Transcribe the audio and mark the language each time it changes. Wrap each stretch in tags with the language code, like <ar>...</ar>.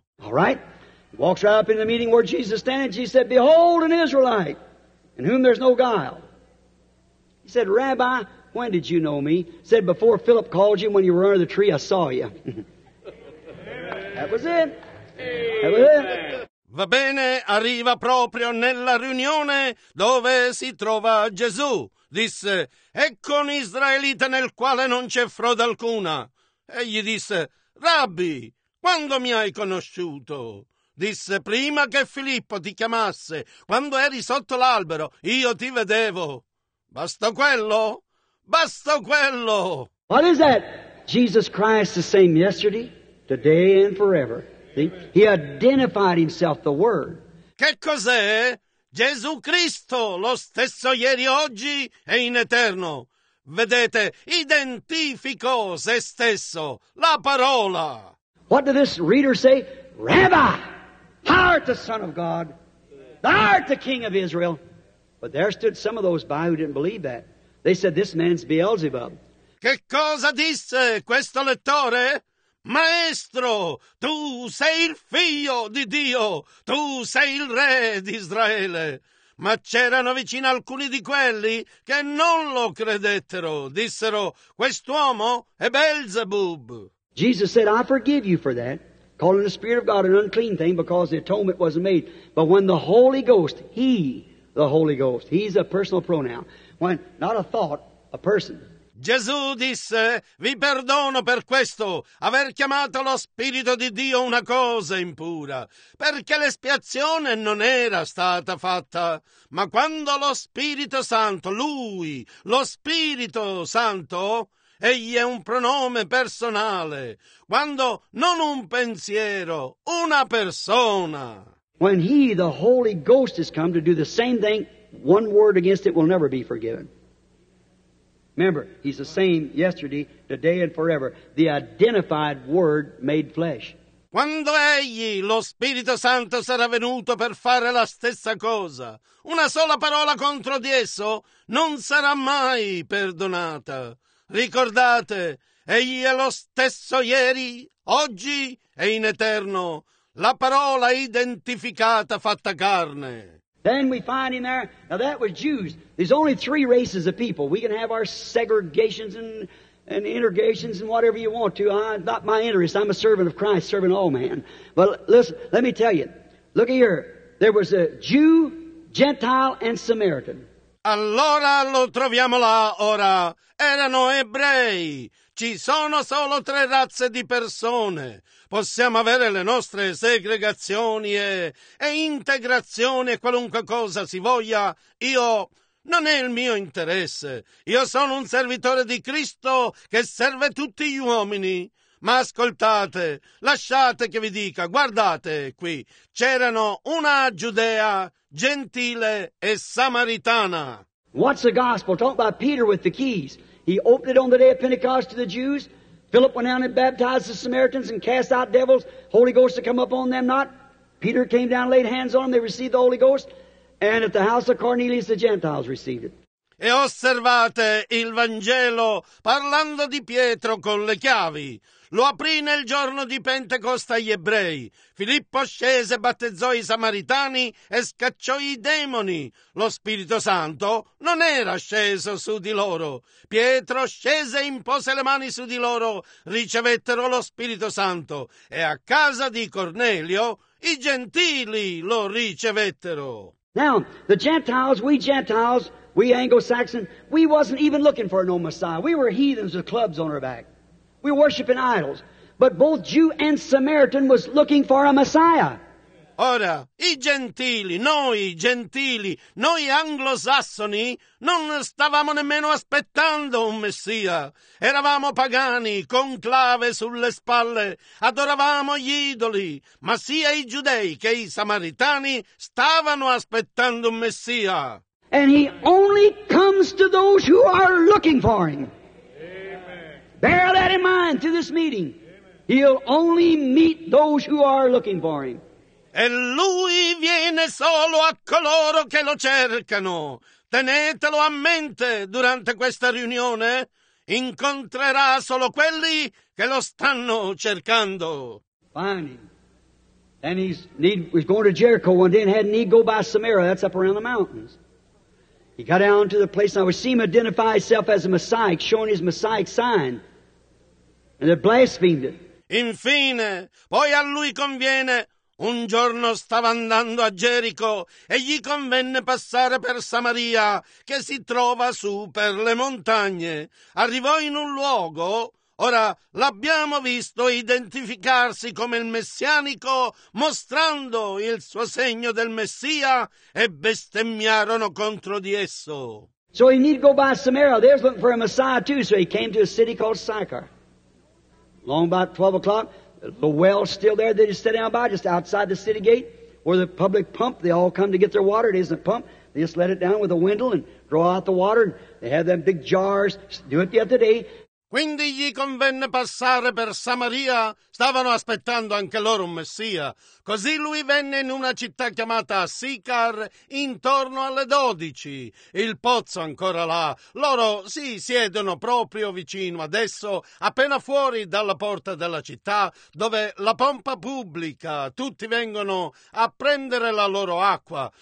<en>All right. Walks right up in the meeting where Jesus standing. Jesus said, behold an Israelite in whom there's no guile. He said, Rabbi, when did you know me? Said, before Philip called you, when you were under the tree, I saw you. That was it. That was it.</en> <it>Va bene, arriva proprio nella riunione dove si trova Gesù. Disse, ecco un israelita nel quale non c'è frode alcuna. E gli disse, Rabbi, quando mi hai conosciuto? Disse, prima che Filippo ti chiamasse, quando eri sotto l'albero, io ti vedevo. Basta quello? Basta quello!</it> <en>What is that? Jesus Christ the same yesterday, today and forever. See? He identified himself the Word.</en> <it>Che cos'è? Gesù Cristo, lo stesso ieri, oggi e in eterno. Vedete, identificò se stesso, la parola.</it> <en>What did this reader say? Rabbi, thou art the Son of God. Thou art the King of Israel. But there stood some of those by who didn't believe that. They said, this man's Beelzebub.</en> <it>Che cosa disse questo lettore? Maestro, tu sei il figlio di Dio, tu sei il re di Israele. Ma c'erano vicino alcuni di quelli che non lo credettero. Dissero, quest'uomo è Beelzebub.</it> <en>Jesus said, I forgive you for that, calling the Spirit of God an unclean thing because the atonement wasn't made. But when the Holy Ghost, he, the Holy Ghost, he's a personal pronoun. When, not a thought, a person.</en> <it>Gesù disse, vi perdono per questo, aver chiamato lo Spirito di Dio una cosa impura, perché l'espiazione non era stata fatta, ma quando lo Spirito Santo, lui, lo Spirito Santo, egli è un pronome personale, quando non un pensiero, una persona.</it> <en>When he, the Holy Ghost, has come to do the same thing, one word against it will never be forgiven. Remember, he's the same yesterday, today and forever. The identified word made flesh.</en> <it>Quando egli, lo Spirito Santo, sarà venuto per fare la stessa cosa, una sola parola contro di esso non sarà mai perdonata. Ricordate, egli è lo stesso ieri, oggi e in eterno. La parola identificata, fatta carne.</it> <en>Then we find him there. Now that was Jews. There's only three races of people. We can have our segregations and integrations and whatever you want to. Not my interest. I'm a servant of Christ, serving all man. But listen, let me tell you. Look here. There was a Jew, Gentile, and Samaritan.</en> <it>Allora lo troviamo là ora. Erano ebrei. Ci sono solo tre razze di persone. Possiamo avere le nostre segregazioni e integrazioni e qualunque cosa si voglia. Io non è il mio interesse. Io sono un servitore di Cristo che serve tutti gli uomini. Ma ascoltate, lasciate che vi dica, guardate qui, c'erano una Giudea gentile e samaritana.</it> <en>What's the gospel? Talk about Peter with the keys. He opened it on the day of Pentecost to the Jews. Philip went down and baptized the Samaritans and cast out devils. Holy Ghost had come up on them not. Peter came down and laid hands on them. They received the Holy Ghost. And at the house of Cornelius, the Gentiles received it.</en> <it>E osservate il Vangelo parlando di Pietro con le chiavi. Lo aprì nel giorno di Pentecoste agli ebrei. Filippo scese, battezzò i samaritani e scacciò i demoni. Lo Spirito Santo non era sceso su di loro. Pietro scese e impose le mani su di loro. Ricevettero lo Spirito Santo e a casa di Cornelio i gentili lo ricevettero.</it> <en>Now, the Gentiles, we Gentiles, we Anglo-Saxon, we wasn't even looking for no Messiah. We were heathens with clubs on our back. We were worshiping idols. But both Jew and Samaritan was looking for a Messiah.</en> <it>Ora, i gentili, noi gentili, noi anglosassoni, non stavamo nemmeno aspettando un Messia. Eravamo pagani, con clave sulle spalle, adoravamo gli idoli, ma sia i giudei che i samaritani stavano aspettando un Messia.</it> <en>And he only comes to those who are looking for him. Amen. Bear that in mind through this meeting. Amen. He'll only meet those who are looking for him.</en> <it>E lui viene solo a coloro che lo cercano. Tenetelo a mente durante questa riunione. Incontrerà solo quelli che lo stanno cercando.</it> <en>Find him. And he's going to Jericho one day and had need go by Samaria. That's up around the mountains. He got down to the place, and I would see him identify himself as a Messiah, showing his Messiah sign, and they blasphemed it.</en> <it>Infine, poi a lui conviene, un giorno stava andando a Gerico, e gli convenne passare per Samaria, che si trova su per le montagne. Arrivò in un luogo, ora l'abbiamo visto identificarsi come il messianico, mostrando il suo segno del Messia, e bestemmiarono contro di esso.</it> <en>So he needed to go by Samaria. They were looking for a Messiah too, so he came to a city called Sychar. Long about 12 o'clock, the well still there that he's sitting by, just outside the city gate, where the public pump, they all come to get their water. It isn't a pump. They just let it down with a windle and draw out the water. And they have them big jars, do it the other day.</en> <it>Quindi gli convenne passare per Samaria, stavano aspettando anche loro un Messia. Così lui venne in una città chiamata Sicar intorno alle 12. Il pozzo ancora là. Loro si siedono proprio vicino adesso, appena fuori dalla porta della città, dove la pompa pubblica, tutti vengono a prendere la loro acqua.</it>